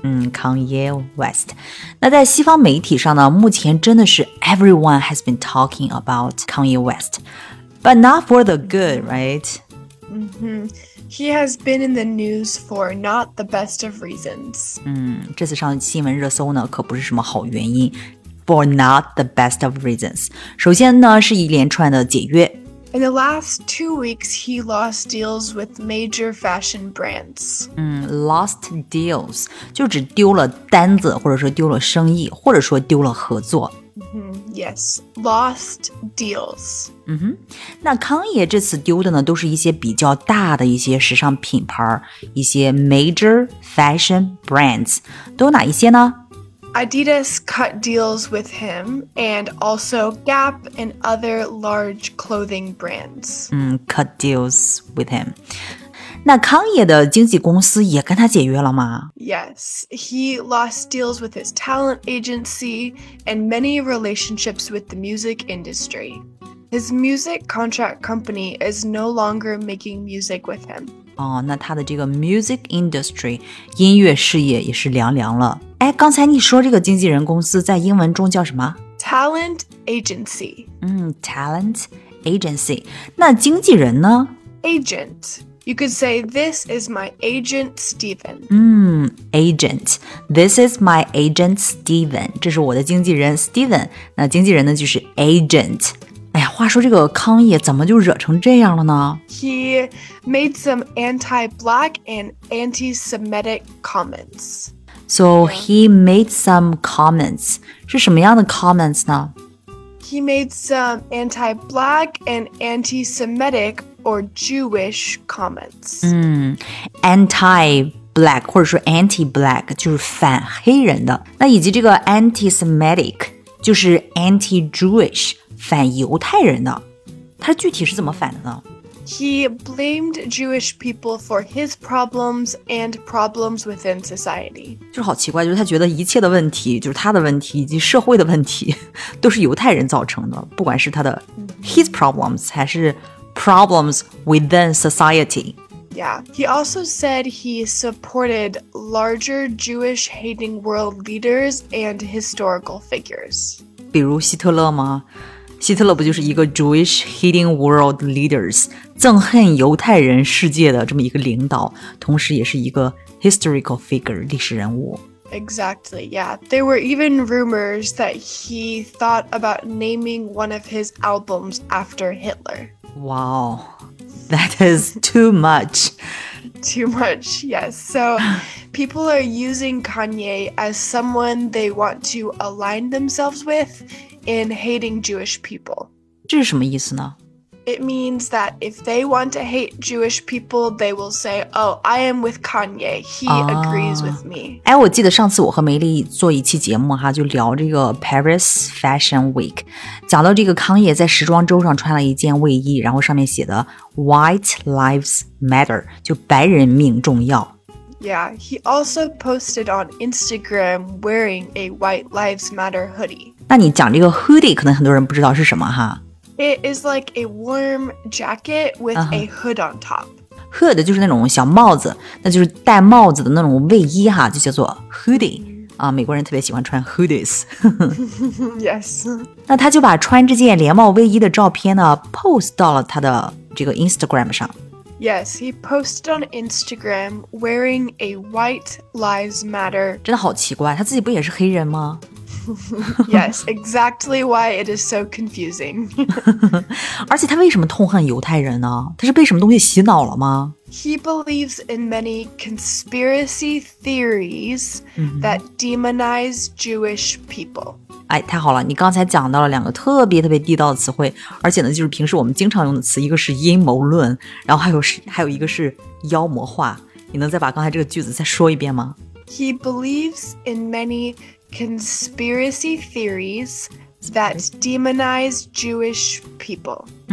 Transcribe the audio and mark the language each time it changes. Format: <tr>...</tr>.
<en>Kanye West.</en> <zh>那在西方媒体上呢，目前真的是</zh> <en>everyone has been talking about Kanye West. But not for the good, right? He has been in the news for not the best of reasons.</en> <zh>这次上新闻热搜呢，可不是什么好原因。</zh> <en>For not the best of reasons.</en> <zh>首先呢，是一连串的解约。</zh> <en>In the last 2 weeks, he lost deals with major fashion brands. Lost deals,</en> <zh>就指丢了单子，或者说丢了生意，或者说丢了合作。</zh> <en>Yes, lost deals.</en> <zh>那康爷这次丢的呢，都是一些比较大的一些时尚品牌，一些</zh> <en>major fashion brands,</en> <zh>都有哪一些呢？</zh> <en>Adidas cut deals with him, and also Gap and other large clothing brands. Cut deals with him.</en> <zh>那康爷的经纪公司也跟他解约了吗？</zh> <en>Yes, he lost deals with his talent agency and many relationships with the music industry. His music contract company is no longer making music with him.</en> <zh>哦，那他的这个 music industry 音乐事业也是凉凉了。哎，刚才你说这个经纪人公司在英文中叫什么？</zh> <en>Talent agency. Talent agency.</en> <zh>那经纪人呢？</zh> <en>Agent. You could say, this is my agent, Steven. Agent. This is my agent, Steven.</en> <zh>这是我的经纪人 Steven. 那经纪人呢就是 agent. 哎呀，话说这个康爷怎么就惹成这样了呢？</zh> <en>He made some anti-black and anti-Semitic comments. So he made some comments.</en> <zh>是什么样的 comments 呢？</zh> <en>He made some anti-black and anti-Semitic or Jewish comments.</en> <zh>Anti-black 或者说 anti-black 就是反黑人的。那以及这个 anti-Semitic 就是 anti-Jewish。反犹太人的，他具体是怎么反的呢？</zh> <en>He blamed Jewish people for his problems and problems within society.</en> <zh>就是好奇怪，就是他觉得一切的问题，就是他的问题以及社会的问题，都是犹太人造成的，不管是他的</zh> <en>his problems</en> <zh>还是</zh> <en>problems within society. Yeah, he also said he supported larger Jewish-hating world leaders and historical figures.</en> <zh>比如希特勒吗？希特勒不就是一个</zh> <en>Jewish hating world leaders,</en> <zh>憎恨犹太人世界的这么一个领导，同时也是一个</zh> <en>historical figure,</en> <zh>历史人物。</zh> <en>Exactly, yeah. There were even rumors that he thought about naming one of his albums after Hitler. Wow, that is too much. Too much, yes. So people are using Kanye as someone they want to align themselves with,in hating Jewish people.</en> <zh>这是什么意思呢？</zh> <en>It means that if they want to hate Jewish people, they will say, oh, I am with Kanye. He agrees with me.</en> <zh>哎，我记得上次我和梅丽做一期节目哈，就聊这个 Paris Fashion Week, 讲到这个康爷在时装周上穿了一件卫衣，然后上面写的 White Lives Matter, 就白人命重要。</zh> <en>Yeah, he also posted on Instagram wearing a White Lives Matter hoodie.</en> <zh>那你讲这个 hoodie 可能很多人不知道是什么哈。</zh> <en>It is like a warm jacket with a hood on top.</en> <zh>Hood 就是那种小帽子，那就是戴帽子的那种卫衣哈，就叫做 hoodie. 啊，美国人特别喜欢穿 hoodies.</zh> <en>Yes.</en> <zh>那他就把穿这件连帽卫衣的照片呢 post 到了他的这个 Instagram 上。</zh> <en>Yes, he posted on Instagram wearing a White Lives Matter.</en> <zh>真的好奇怪，他自己不也是黑人吗？</zh> <en>Yes, exactly why it is so confusing.</en> <zh>而且他为什么痛恨犹太人呢？他是被什么东西洗脑了吗？</zh> <en>He believes in many conspiracy theories that demonize Jewish people.</en> <zh>哎，太好了，你刚才讲到了两个特别特别地道的词汇，而且呢，就是平时我们经常用的词，一个是阴谋论，然后还有一个是妖魔化。你能再把刚才这个句子再说一遍吗？</zh> <en>He believes in manyconspiracy theories that demonize Jewish people.</en>